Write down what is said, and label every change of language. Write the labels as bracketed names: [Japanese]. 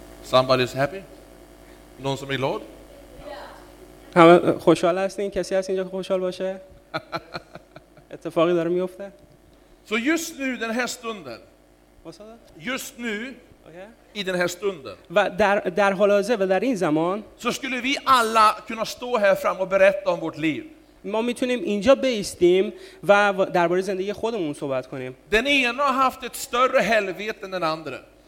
[English] Somebody is happy? [Swedish] Någon som är glad? [Persian] همه خوشحال هستین؟ کسی هست اینجا که خوشحال باشه؟ اتفاقی داره میفته؟ [Swedish] So just nu den här stunden. Just nu. [English] Okay. [Swedish] I den här stunden. [Persian] و در حال حاضر و در این زمان. [Swedish] Så skulle vi alla kunna stå här fram och berätta om vårt liv. [Persian] ما میتونیم اینجا بایستیم و درباره زندگی خودمون صحبت کنیم. [Swedish] Den ena har haft ett större helvete än den andra.